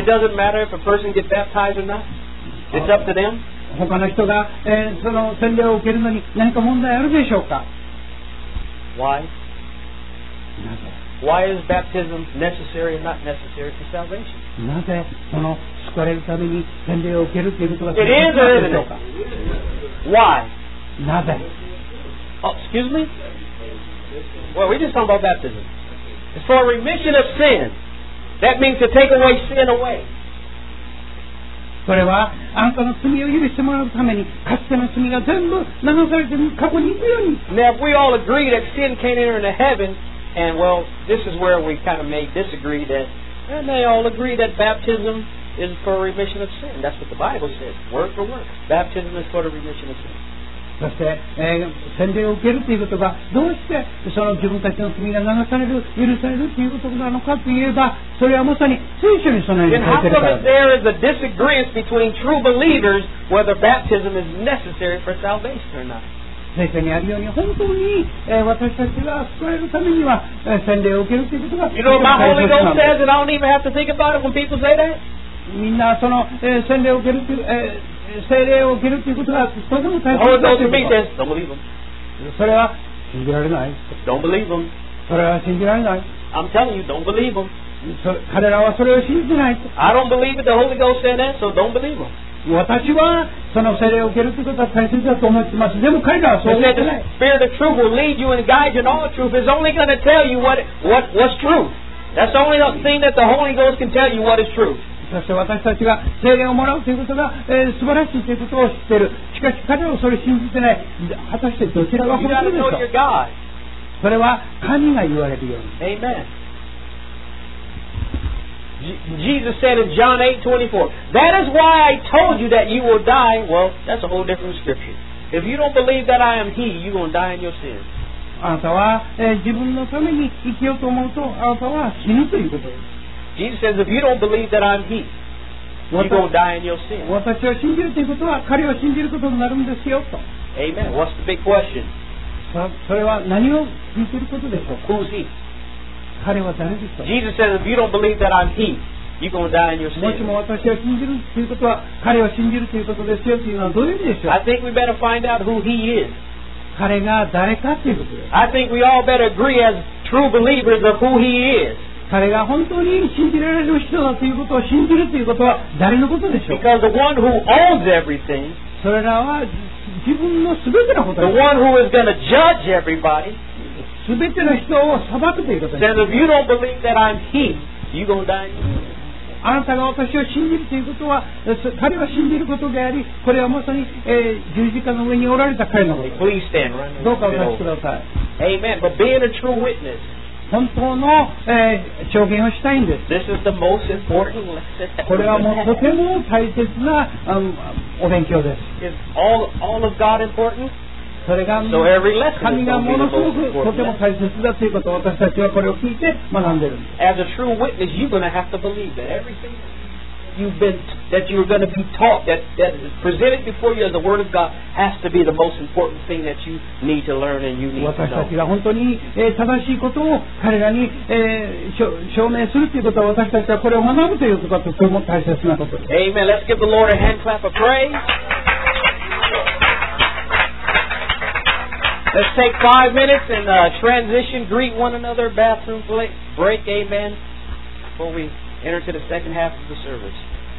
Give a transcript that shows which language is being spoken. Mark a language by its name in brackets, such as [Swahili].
[English] It doesn't matter if a person gets baptized or not. It's up to them. [Japanese] 他の人が、その洗礼を受けるのに何か問題あるでしょうか。 [English] Why? [Japanese] なぜ [English] Why is baptism necessary and not necessary for salvation? [Japanese] なぜその救われるために洗礼を受けるということが必要でしょうか。 [English] It is or isn't it? Why? [Japanese] なぜ [English] Oh, excuse me? Well, we're just talking about baptism. It's for remission of sin. That means to take away sin away. [Japanese] それはあなたの罪を許してもらうために、かつての罪が全部流されて過去に行くように。 [English] Now, if we all agree that sin can't enter into heaven, and well, this is where we kind of may disagree that, and they all agree that baptism is for remission of sin. That's what the Bible says, word for word. Baptism is for the remission of sin. [Japanese] そして、洗礼を受けるということがどうしてその自分たちの罪が流される許されるということなのかといえば、それはまさに聖書にそのように書いてあるからです。 [English] And how come there is a disagreement between true believers whether baptism is necessary for salvation or not? [Japanese] 聖書にあるように本当に、私たちが救われるためには、洗礼を受けるということが [English] You know what my Holy Ghost says and I don't even have to think about it when people say that? [Japanese] みんなその、洗礼を受けるという、聖霊を受けるということがとても大切だということ [English] 。 Don't believe them. [Japanese] それは信じられない。 [English] Don't believe them. [Japanese] それは信じられない。 [English] I'm telling you, don't believe them. [Japanese] 彼らはそれを信じない。 [English] I don't believe it, the Holy Ghost said that, so don't believe them. [Japanese] 私はその聖霊を受けるということは大切だと思ってます。でも彼らはそう言ってない。 [English] The Spirit of truth will lead you and guide you in all truth. It's only going to tell you what's true. That's only the thing that the Holy Ghost can tell you what is true. [Japanese] そして私たちが聖霊をもらうということが、素晴らしいということを知っている。しかし彼らはそれを信じてない。果たしてどちらが本当でしょう。それは神が言われるように。 [English] Amen. Jesus said in John 8:24, That is why I told you that you will die. Well, that's a whole different scripture. If you don't believe that I am He, you're going to die in your sins. [Japanese] あなたは、自分のために生きようと思うと、あなたは死ぬということです。 [English] Jesus says, if you don't believe that I'm He, You're going to die in your sin. [Japanese] 私を信じるということは彼を信じることになるんですよと。 [English] Amen. What's the big question? [Japanese] それは何を聞いていることでしょう。 [English] Who's he? [Japanese] 彼は誰ですか。 [English] Jesus says, if you don't believe that I'm he, you're going to die in your sin. [Japanese] もしも私を信じるということは彼を信じるということですよというのはどういう意味でしょう。 [English] I think we better find out who he is. [Japanese] 彼が誰かということです。 [English] I think we all better agree as true believers of who he is. [Japanese] 彼が本当に信じられる人だということを信じるということは誰のことでしょう。 [English] Because the one who owns everything, [Japanese] それらは自分のすべてのことです。 [English] The one who is going to judge everybody, [Japanese] すべての人を裁くということです。 [English] Then if you don't believe that I'm he, you're going to die. [Japanese] あなたが私を信じるということは彼は信じることであり、これはまさに、十字架の上におられた彼のことです。 [English] Please stand, right? [Japanese] どうかお立ちください。 [English] Amen. But being a true witness. [Japanese] 本当の、証言をしたいんです。 [English] This is the most important lesson. [Japanese] これはもうとても大切な、お勉強です。 [English] Is all of God important? [Japanese] それが、 [English] so、every lesson [Japanese] 神がものすごくとても大切だということを私たちはこれを聞いて学んでいるんです。 [English] As a true witness, you're going to have to believe that everything that you're going to be taught, that is presented before you as the Word of God, has to be the most important thing that you need to learn and you need to know. [Japanese] 私たちが本当に、正しいことを彼らに、証明するということは、私たちはこれを学ぶということがとても大切なことです。 [English] Amen. Let's give the Lord a hand clap of praise. Let's take 5 minutes and transition, greet one another, bathroom break, amen, before we enter to the second half of the service.